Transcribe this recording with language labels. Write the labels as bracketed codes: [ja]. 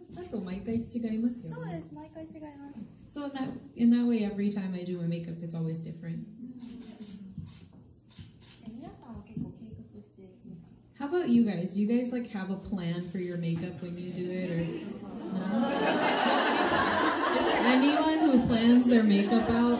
[ja] そう、毎回違いますよね。そうです、毎回違います。 [en] So in that way, every time I do my makeup, it's always different. [ja] 皆さんは結構計画して。 [en] How about you guys? Do you guys like have a plan for your makeup when you do it? Or no? Is there anyone who plans their makeup out?